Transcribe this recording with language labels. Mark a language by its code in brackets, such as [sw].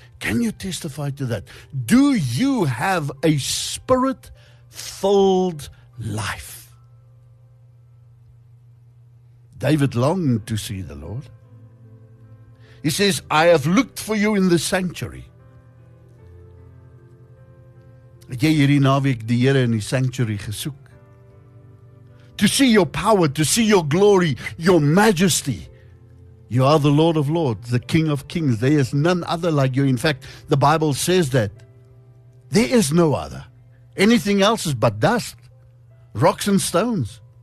[en] Can you testify to that? Do you have a Spirit-filled life? David longed to see the Lord. He says, I have looked for you in the sanctuary. [af] Ek jy hierdie naweek die Here in die sanctuary gesoek. [en] To see your power, to see your glory, your majesty. You are the Lord of Lords, the King of Kings. There is none other like you. In fact, the Bible says that there is no other. Anything else is but dust, rocks and stones.